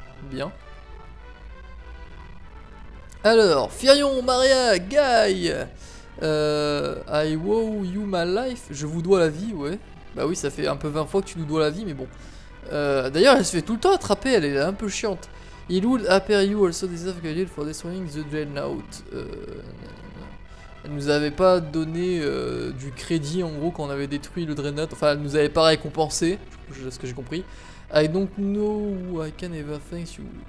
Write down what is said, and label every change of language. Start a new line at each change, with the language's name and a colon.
French: Bien.
English: Alors, Firion, Maria, Guy! I owe you my life.
French: Je vous dois la vie, ouais. Bah oui, ça fait un peu 20 fois que tu nous dois la vie, mais bon. D'ailleurs, elle se fait tout le temps attraper, elle est un peu chiante.
English: It would appear you also deserve credit for destroying the Dreadnought.
French: Elle nous avait pas donné du crédit, en gros, quand on avait détruit le Dreadnought. Enfin, elle nous avait pas récompensé, c'est ce que j'ai compris.
English: I don't know I can ever thank you.